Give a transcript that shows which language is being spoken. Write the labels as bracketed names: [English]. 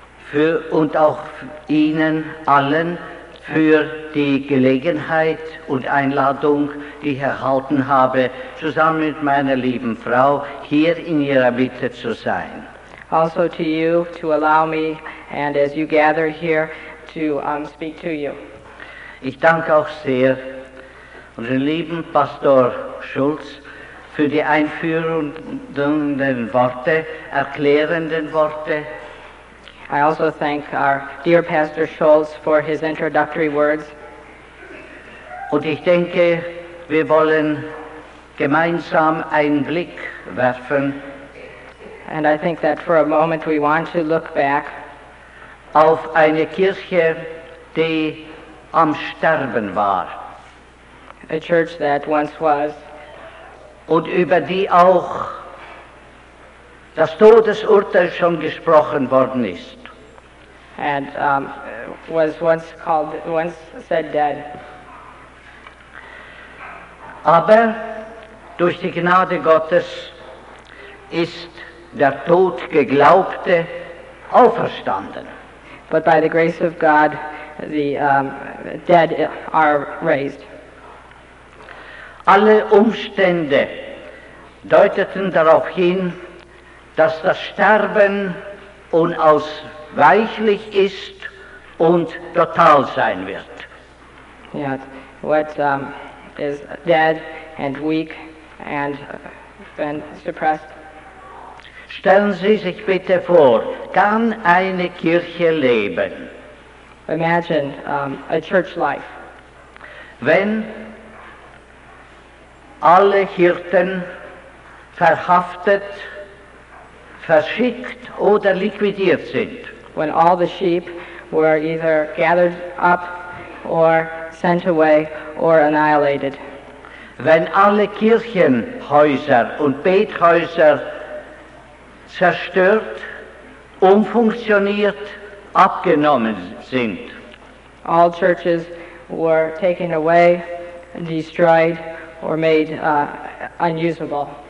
[German] für und auch Ihnen allen für die Gelegenheit und Einladung, die ich erhalten habe, zusammen mit meiner lieben Frau hier in Ihrer Mitte zu sein. [English] Also to you, to allow me, and as you gather here, to speak to you. [German] Ich danke auch sehr unseren lieben Pastor Schulz für die einführenden Worte, erklärenden Worte. [English] I also thank our dear Pastor Schulz for his introductory words. [German] Und ich denke, wir wollen gemeinsam einen Blick werfen. [English] And I think that for a moment we want to look back [German] auf eine Kirche, die am Sterben war. [English] a church that once was. [German] Und über die auch das Todesurteil schon gesprochen worden ist. [English] And was once called, once said dead. [German] Aber durch die Gnade Gottes ist der Tod geglaubte auferstanden. [English] But by the grace of God, the dead are raised. [German] Alle Umstände deuteten darauf hin, dass das Sterben unausweichlich ist und total sein wird. [English] Yeah, what is dead and weak and suppressed. [German] Stellen Sie sich bitte vor, kann eine Kirche leben? [English] Imagine a church life. [German] Wenn alle Hirten verhaftet, verschickt oder liquidiert sind. [English] When all the sheep were either gathered up or sent away or annihilated. [German] Wenn alle Kirchenhäuser und Bethäuser zerstört, umfunktioniert, abgenommen sind. [English] All churches were taken away, destroyed or made unusable.